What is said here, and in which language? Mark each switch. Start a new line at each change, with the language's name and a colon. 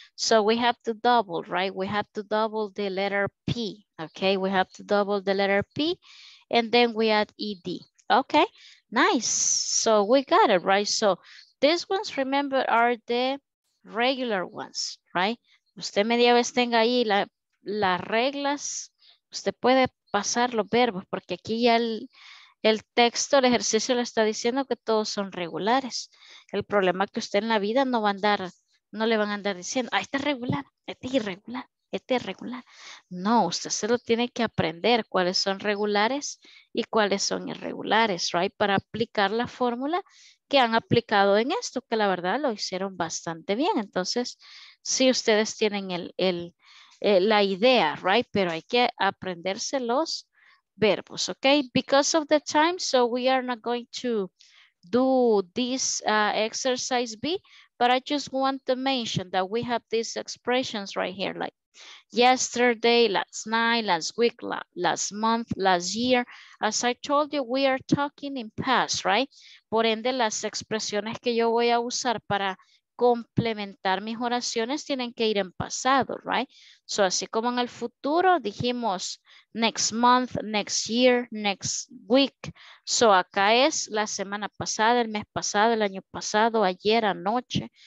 English: So we have to double, right? We have to double the letter P, okay? We have to double the letter P, and then we add E-D, okay? Nice, so we got it, right? So these ones, remember, are the regular ones, right?
Spanish: Usted media vez tenga ahí las reglas, usted puede pasar los verbos, porque aquí ya el texto, el ejercicio le está diciendo que todos son regulares. El problema es que usted en la vida no va a andar, no le van a andar diciendo, ah, este es regular, este es irregular, este es regular. No, usted se lo tiene que aprender cuáles son regulares y cuáles son irregulares, right? Para aplicar la fórmula que han aplicado en esto, que la verdad lo hicieron bastante bien. Entonces, sí, ustedes tienen la idea, right? Pero hay que aprenderse los verbos, okay?
English: Because of the time, so we are not going to do this exercise B, but I just want to mention that we have these expressions right here, like yesterday, last night, last week, last month, last year. As I told you, we are talking in past, right?
Spanish: Por ende, las expresiones que yo voy a usar para complementar mis oraciones tienen que ir en pasado, right? So, así como en el futuro dijimos
English: next month, next year, next week.
Spanish: So, acá es la semana pasada, el mes pasado, el año pasado, ayer, anoche.